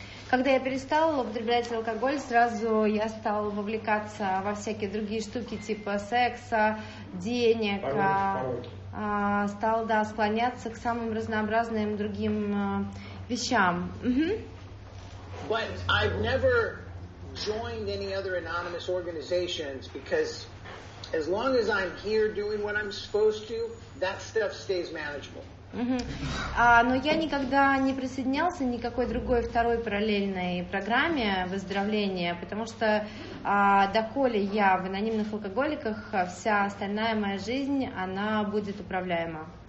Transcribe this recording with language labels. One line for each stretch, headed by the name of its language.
Russian: Когда я перестал употреблять алкоголь, сразу я стал вовлекаться во всякие другие штуки, типа секса, денег, стал, да, склоняться к самым разнообразным другим вещам.
English: But I've never joined any other anonymous organizations because as long as I'm here doing what I'm supposed to, that stuff stays manageable.
Russian: Но я никогда не присоединялся ни к какой другой второй параллельной программе выздоровления, потому что доколе я в анонимных алкоголиках, вся остальная моя жизнь, она будет управляема.